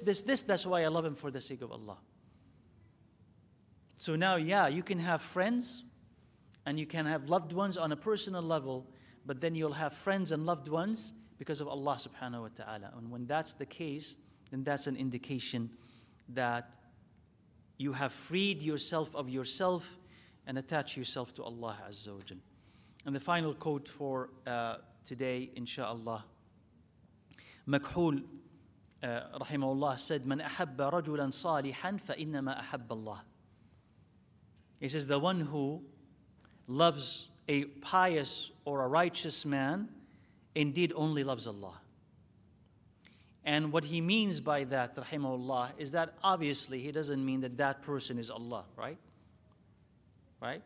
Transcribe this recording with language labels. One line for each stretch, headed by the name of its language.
English: That's why I love them for the sake of Allah. So now, yeah, you can have friends, and you can have loved ones on a personal level, but then you'll have friends and loved ones because of Allah subhanahu wa ta'ala. And when that's the case, then that's an indication that you have freed yourself of yourself and attach yourself to Allah Azza wa Jal. And the final quote for today, inshaAllah.
Arabic: Makhul, rahimahullah, said, مَنْ أَحَبَّ رَجُلًا صَالِحًا فَإِنَّمَا أَحَبَّ اللَّهِ.
English: He says, the one who loves a pious or a righteous man, indeed only loves Allah. And what he means by that, rahimahullah, is that obviously he doesn't mean that that person is Allah, right? Right?